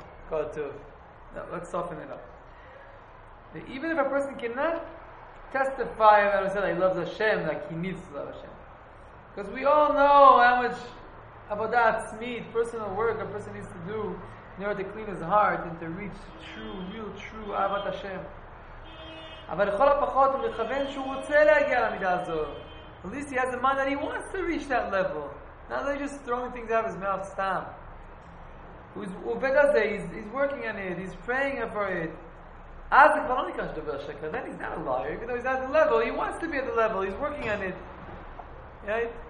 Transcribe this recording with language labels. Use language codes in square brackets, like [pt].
[en] Go to. No, let's soften it up. But even if a person cannot testify about himself that he loves Hashem, like he needs to love Hashem. Because we all know how much avodah atzmit, personal work, a person needs to do in order to clean his heart and to reach true, real, true avat Hashem. [he] אבל לכל הפחות הוא מכוון שהוא רוצה להגיע למידה הזאת. [en] At least he has a mind that he wants to reach that level. Not that he's just throwing things out of his mouth, סתם. [he] הוא עובד על זה, [en] he's working on it, he's praying for it. [he] אז זה כבר לא נקרא שדובר שקר, [en] then he's not a liar, even though he's at the level, he wants to be at the level, he's working on it. Right?